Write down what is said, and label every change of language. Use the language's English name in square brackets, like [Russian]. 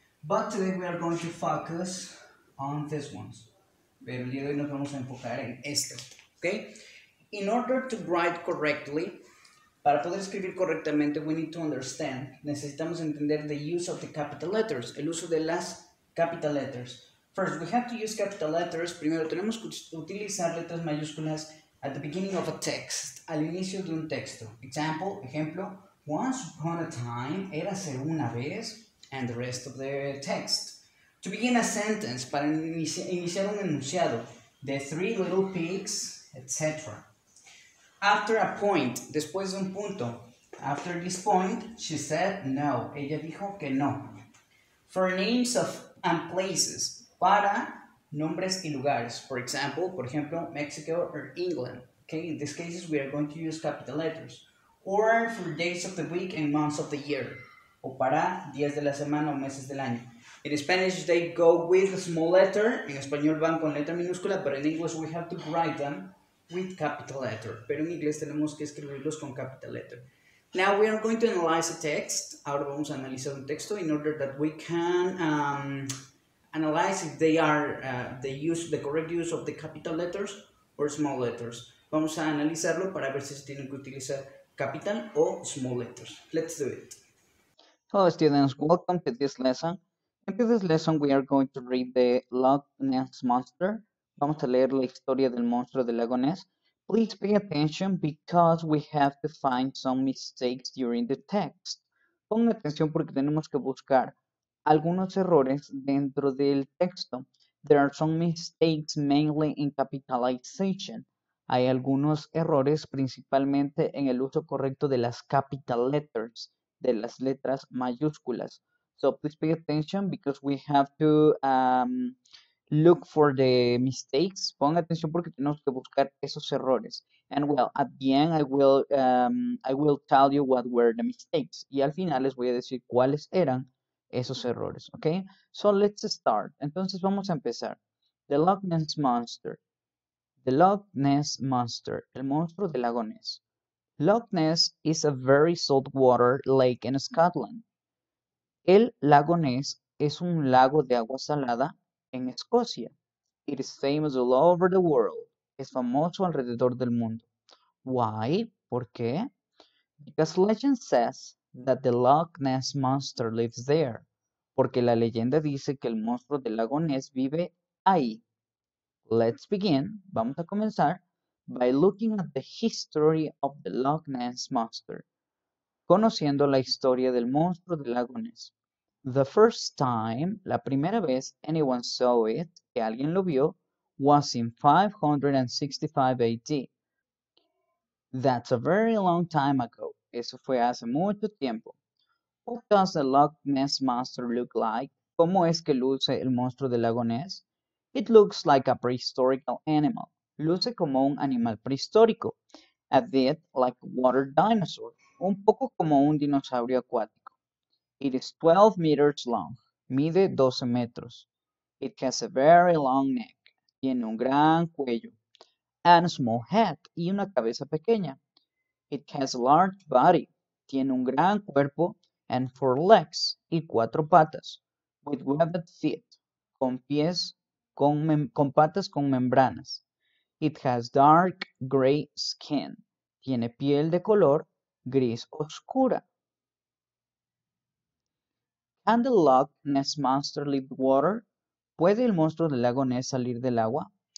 [English] But today we are going to focus on these ones. [Spanish] Pero el día de hoy nos vamos a enfocar en estas, okay? [English] In order to write correctly, [Spanish] para poder escribir correctamente, [English] we need to understand, [Spanish] necesitamos entender [English] the use of the capital letters, [Spanish] el uso de las capital letters. [English] First, we have to use capital letters, [Spanish] primero tenemos que utilizar letras mayúsculas [English] at the beginning of a text, [Spanish] al inicio de un texto. [English] Example, ejemplo, once upon a time, [Spanish] érase una vez, [English] and the rest of the text. To begin a sentence, [Spanish] para iniciar un enunciado, [English] the three little pigs, etc. After a point, [Spanish] después de un punto, [English] after this point, she said no, [Spanish] ella dijo que no. [English] For names of and places, [Spanish] para nombres y lugares, [English] for example, [Spanish] por ejemplo, [English] Mexico or England. Okay, in these cases, we are going to use capital letters. Or for days of the week and months of the year. [Spanish] O para días de la semana o meses del año. [English] In Spanish, they go with a small letter. [Spanish] En español van con letra minúscula, [English] but in English, we have to write them with capital letter. [Spanish] Pero en inglés tenemos que escribirlos con capital letter. [English] Now, we are going to analyze a text. [Spanish] Ahora vamos a analizar un texto [English] in order that we can analyze if they are the correct use of the capital letters or small letters. [Spanish] Vamos a analizarlo para ver si se tienen que utilizar capital o small letters. [English] Let's do it. Hello, students. Welcome to this lesson. In this lesson, we are going to read the Loch Ness Monster. [Spanish] Vamos a leer la historia del monstruo del lago Ness. [English] Please pay attention because we have to find some mistakes during the text. [Spanish] Pon atención porque tenemos que buscar algunos errores dentro del texto. [English] There are some mistakes mainly in capitalization. [Spanish] Hay algunos errores principalmente en el uso correcto de las capital letters, de las letras mayúsculas. [English] So please pay attention because we have to look for the mistakes. [Spanish] Pon atención porque tenemos que buscar esos errores. [English] And well, at the end I will tell you what were the mistakes. [Spanish] Y al final les voy a decir cuáles eran esos errores, ¿ok? [English] So, let's start. [Spanish] Entonces, vamos a empezar. [English] The Loch Ness Monster. The Loch Ness Monster. [Spanish] El monstruo del lago Ness. [English] Loch Ness is a very salt water lake in Scotland. [Spanish] El lago Ness es un lago de agua salada en Escocia. [English] It is famous all over the world. [Spanish] Es famoso alrededor del mundo. [English] Why? [Spanish] ¿Por qué? [English] Because legend says that the Loch Ness Monster lives there. [Spanish] Porque la leyenda dice que el monstruo del lago Ness vive ahí. [English] Let's begin. [Spanish] Vamos a comenzar [English] by looking at the history of the Loch Ness Monster. [Spanish] Conociendo la historia del monstruo del lago Ness. [English] The first time, [Spanish] la primera vez [English] anyone saw it, [Spanish] que alguien lo vio, [English] was in 565 AD. That's a very long time ago. [Spanish] Eso fue hace mucho tiempo. [English] What does the Loch Ness Monster look like? [Spanish] ¿Cómo es que luce el monstruo del lago Ness? [English] It looks like a prehistorical animal. [Spanish] Luce como un animal prehistórico. [English] A bit like a water dinosaur. [Spanish] Un poco como un dinosaurio acuático. [English] It is 12 meters long. [Spanish] Mide 12 metros. [English] It has a very long neck. [Spanish] Tiene un gran cuello. [English] And a small head. [Spanish] Y una cabeza pequeña. [English] It has a large body. [Spanish] Tiene un gran cuerpo. [English] And four legs. [Spanish] Y cuatro patas. [English] With webbed feet. [Spanish] Con pies. Con patas con membranas. [English] It has dark gray skin. [Spanish] Tiene piel de color gris oscura. [English] Can the Loch Ness Monster leave the water? [Spanish] ¿Puede el monstruo del lago Ness salir del agua?